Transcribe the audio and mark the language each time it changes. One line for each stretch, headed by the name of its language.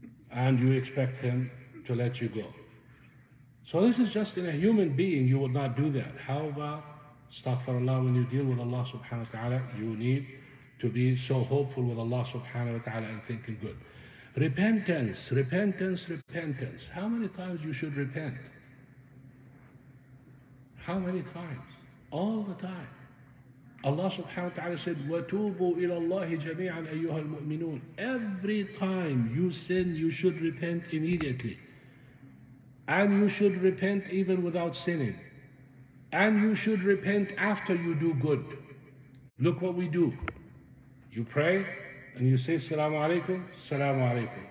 English: And you expect him to let you go. So this is just in a human being, you would not do that. How about, astaghfirullah, when you deal with Allah subhanahu wa ta'ala, you need to be so hopeful with Allah subhanahu wa ta'ala and thinking good. Repentance, repentance, repentance. How many times you should repent? How many times? All the time. Allah subhanahu wa ta'ala said,
Arabic: وَتُوبُوا إِلَى اللَّهِ جَمِيعًا أَيُّهَا الْمُؤْمِنُونَ.
English: Every time you sin, you should repent immediately. And you should repent even without sinning. And you should repent after you do good. Look what we do. You pray and you say, Salaamu Alaikum, Salaamu Alaikum.